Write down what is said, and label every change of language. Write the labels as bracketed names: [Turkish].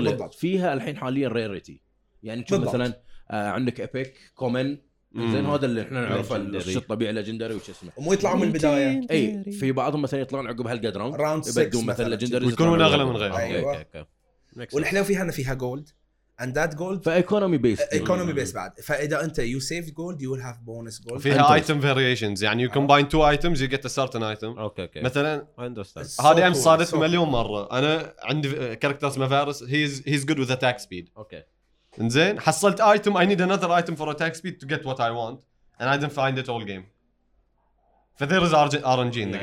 [Arabic] ليست فيها الحين حاليا ريريتي يعني تشوف مثلا عندك ايبك كومن زين هذا اللي احنا نعرفه الشيء الطبيعي ليجندري وش اسمه ومو يطلعوا من البدايه اي في بعضهم مثلا يطلعون عقب هالجاد راوند يبدون مثلا ليجندري ويكونون اغلى من غيرهم اوكي اوكي والحلو فيها ان فيها جولد [English] and that gold for economy based economy based [Arabic] بعد فاذا انت [English] you saved gold you will have bonus gold فيها item variations يعني you combine two items you get a certain item okay, okay. [Arabic] مثلا understand هذه امس صارت مليون مره انا عندي كاركتر اسمه فارس [English] he's good with attack speed okay [Arabic] انزين حصلت [English] item I need another item for attack speed to get what I want and I didn't find it all game فذير is R N G in the game